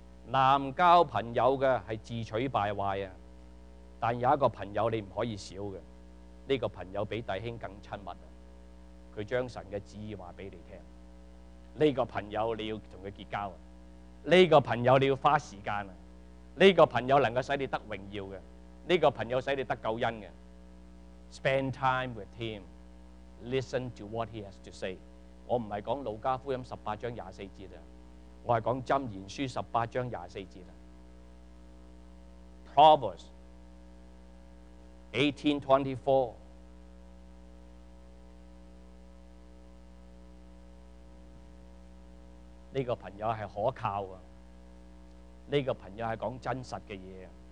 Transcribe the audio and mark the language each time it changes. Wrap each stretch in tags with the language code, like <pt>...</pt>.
<zh>滥交朋友的是自取败坏，但有一个朋友你不可以少的，这个朋友比弟兄更亲密，他将神的旨意告诉你，这个朋友你要跟他结交，这个朋友你要花时间，这个朋友能够使你得荣耀的，这个朋友使你得救恩的。</zh> <en>Spend time with him， listen to what he has to say。</en> <zh>我不是讲路加福音18:24，我是讲箴言书18:24。 Proverbs 18:24， 这个朋友是可靠的，这个朋友是讲真实的东西。</zh>